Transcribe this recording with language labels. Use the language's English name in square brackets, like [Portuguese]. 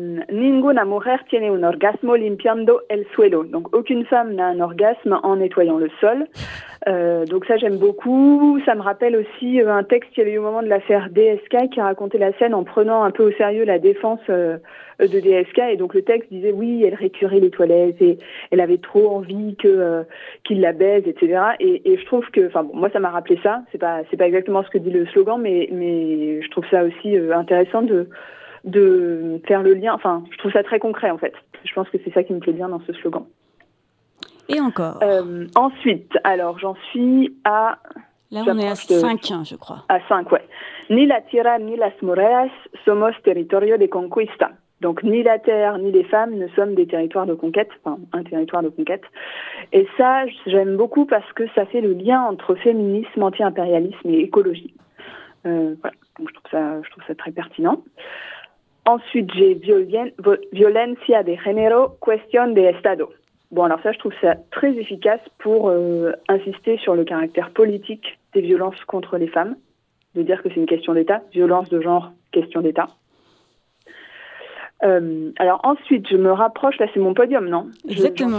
[Spanish] Ninguna mujer tiene un orgasmo limpiando el suelo. [French] Donc, aucune femme n'a un orgasme en nettoyant le sol. Donc, ça, j'aime beaucoup. Ça me rappelle aussi un texte qu'il y avait eu au moment de l'affaire DSK qui racontait la scène en prenant un peu au sérieux la défense de DSK. Et donc, le texte disait oui, elle récurait les toilettes et elle avait trop envie qu'il la baise, etc. Et je trouve que, enfin, bon, moi, ça m'a rappelé ça. C'est pas exactement ce que dit le slogan, mais je trouve ça aussi intéressant de faire le lien. Enfin, je trouve ça très concret, en fait. Je pense que c'est ça qui me plaît bien dans ce slogan. Et encore Ensuite, alors, j'en suis à... Là, on est à 5, je crois. À 5, ouais. [Spanish] Ni la tierra ni las mujeres somos territorio de conquista. [French] Donc, ni la terre ni les femmes ne sommes des territoires de conquête. Enfin, un territoire de conquête. Et ça, j'aime beaucoup parce que ça fait le lien entre féminisme, anti-impérialisme et écologie. Voilà. Donc, je trouve ça très pertinent. Ensuite, j'ai [Spanish] violencia de género, cuestión de Estado. [French] Bon, alors ça, je trouve ça très efficace pour insister sur le caractère politique des violences contre les femmes, de dire que c'est une question d'État, violence de genre, question d'État. Alors ensuite, je me rapproche, là, c'est mon podium, non ? Exactement.